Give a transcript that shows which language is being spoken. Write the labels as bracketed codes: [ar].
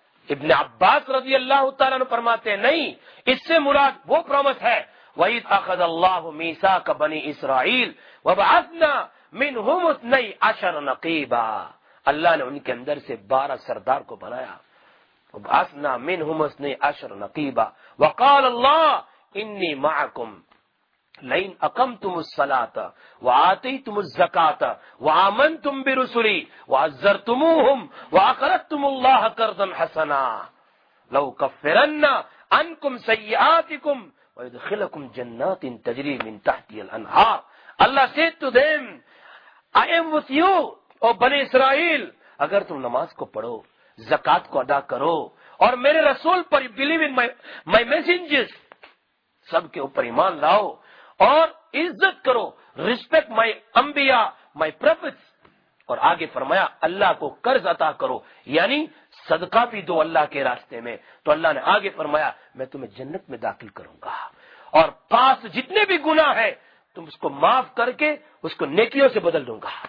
[ur] ابن عباس رضی اللہ تعالیٰ عنہ فرماتے ہیں نہیں, اس سے مراد وہ پرومس ہے [ar] وَإِذْ أَخَذَ اللَّهُ مِيثَاقَ بَنِي إِسْرَائِيلَ وَبَعَثْنَا مِنْهُمُ اثْنَيْ عَشَرَ نَقِيبًا. [ur] اللہ نے ان کے اندر سے 12 سردار کو بنایا. [ar] وَبَعَثْنَا مِنْهُمُ اثْنَيْ عَشَرَ نَقِيبًا وَقَالَ اللَّهُ إِنِّي مَعَكُمْ لئن اقمتم الصلاه واتيتم الزكاه وامنتم برسلي وعزرتموهم واقرضتم الله قرضا حسنا لو كفرن عنكم سيئاتكم ويدخلكم جنات تجري من تحتها الانهار. [ur] الله [en] said to them, I am with you, [ur] او بني اسرائيل, اگر تم نماز کو پڑھو, زکات کو ادا کرو, اور میرے رسول پر, [en] believe in my messengers, [ur] سب کے اوپر ایمان لاؤ اور عزت کرو, [en] respect my انبیاء my prophets, [ur] اور آگے فرمایا اللہ کو قرض عطا کرو یعنی صدقہ بھی دو اللہ کے راستے میں, تو اللہ نے آگے فرمایا میں تمہیں جنت میں داخل کروں گا, اور پاس جتنے بھی گناہ ہے تم اس کو معاف کر کے اس کو نیکیوں سے بدل دوں گا.